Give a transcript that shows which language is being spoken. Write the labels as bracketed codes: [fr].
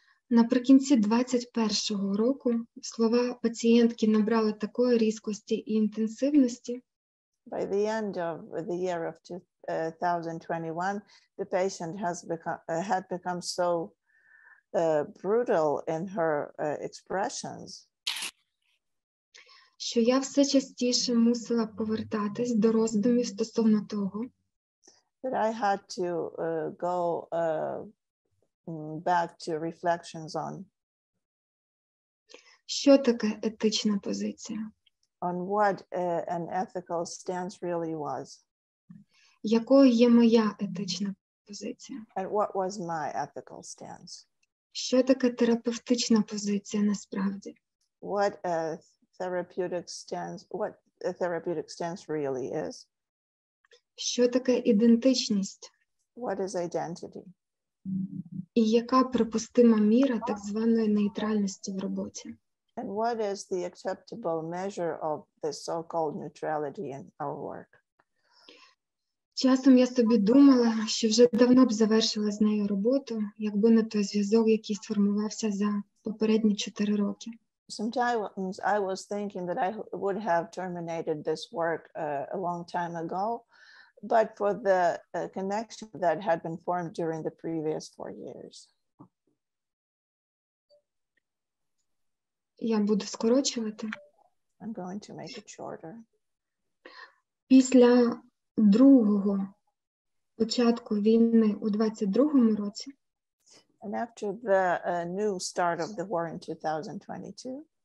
[uk] Наприкінці 21-го року слова пацієнтки набрали такої різкості і інтенсивності. [en] By the end of the year of 2021, the patient had become so brutal in her expressions. [uk] Що я все частіше мусила повертатись до роздумів стосовно того, [en] that I had to go back to reflections on, [uk] що таке етична позиція, [en] on what an ethical stance really was, [uk] якою є моя етична позиція, [en] and what was my ethical stance, [uk] що таке терапевтична позиція насправді, [en] what a therapeutic stance, what a therapeutic stance really is. [uk] Що таке ідентичність? [en] What is identity? [uk] І яка припустима міра так званої нейтральності в роботі? [en] And what is the acceptable measure of the so-called neutrality in our work? [uk] Часом я собі думала, що вже давно б завершила з нею роботу, якби не той зв'язок, який сформувався за попередні 4 роки. [en] Sometimes I was thinking that I would have terminated this work a long time ago, but for the connection that had been formed during the previous 4 years. [uk] Я буду скорочувати. [en] I'm going to make it shorter. [uk] Після другого початку війни у 22-му році. [en] And after the new start of the war in 2022.